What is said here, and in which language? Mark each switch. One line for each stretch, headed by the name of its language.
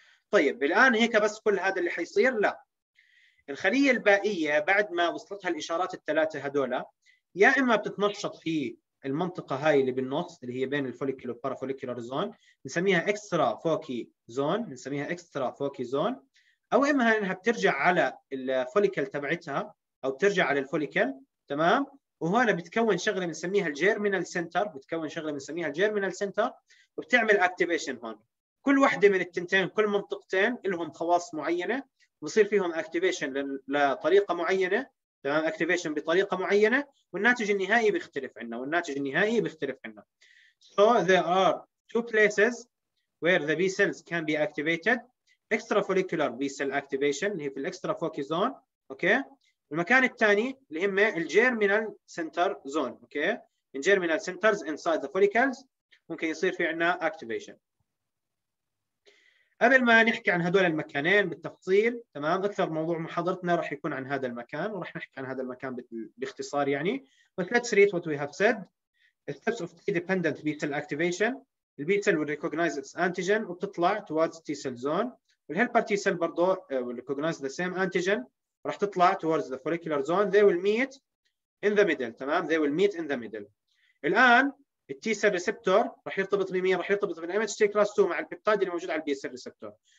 Arabic: طيب الان هيك بس كل هذا اللي حيصير؟ لا، الخليه البائيه بعد ما وصلتها الاشارات الثلاثه هذول، يا اما بتتنشط في المنطقه هاي اللي بالنص اللي هي بين الفوليكل والبارافوليكولار زون، بنسميها اكسترا فوكي زون، بنسميها اكسترا فوكي زون، او اما انها بترجع على الفوليكل تبعتها او بترجع على الفوليكل، تمام؟ وهنا بتكون شغله بنسميها الجيرمينال سنتر، بتكون شغله بنسميها الجيرمينال سنتر وبتعمل اكتيفيشن هون. كل وحده من التنتين، كل منطقتين لهم خواص معينه، بصير فيهم اكتيفيشن لطريقه معينه، تمام؟ اكتيفيشن بطريقه معينه، والناتج النهائي بيختلف عندنا، والناتج النهائي بيختلف عندنا.
English: So there are two places where the B cells can be activated. Extrafollicular B cell activation
Arabic: هي في الاكسترا فوكي زون، اوكي. المكان الثاني اللي هم الجيرمينال سنتر زون، اوكي.
English: In germinal centers inside the follicles
Arabic: ممكن يصير في عندنا
English: activation.
Arabic: قبل ما نحكي عن هذول المكانين بالتفصيل، تمام، اكثر موضوع محاضرتنا راح يكون عن هذا المكان، وراح نحكي عن هذا المكان باختصار يعني.
English: But let's read what we have said. Steps of T-dependent B-cell activation. The B-cell will recognize its antigen
Arabic: وبتطلع
English: towards T-cell zone. The helper T-cell
Arabic: برضو
English: will recognize the same antigen
Arabic: راح تطلع
English: towards the follicular zone. They will meet in the middle.
Arabic: تمام؟
English: They will meet in the middle.
Arabic: الآن T-cell receptor راح يرتبط بمين؟ راح يرتبط بالMHC class 2 مع البيبتايد اللي موجود على B-cell receptor.